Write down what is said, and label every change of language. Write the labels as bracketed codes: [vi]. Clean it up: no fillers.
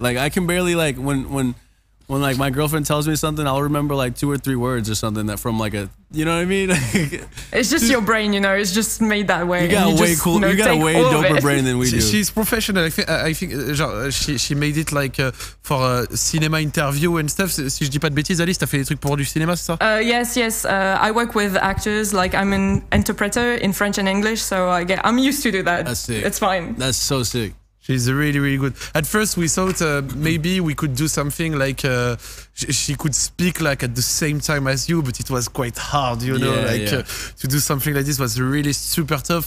[en] Like I can barely like when like my girlfriend tells me something, I'll remember like 2 or 3 words or something that from like a, you know what I mean? It's just your brain, you know. It's just made that way. You got you way just, cool. No, you got a way doper brain than we do. She's professional. I think she made it like for a cinema interview and stuff. [fr] Si je dis pas de bêtises, Alice, t'as fait des trucs pour du cinéma, c'est ça? [en] Yes. I work with actors. Like I'm an interpreter in French and English, so I'm used to do that. That's sick. It's fine. That's so sick. She's really, really good. At first, we thought maybe we could do something like she could speak like at the same time as you, but it was quite hard, you know, to do something like this was really super tough.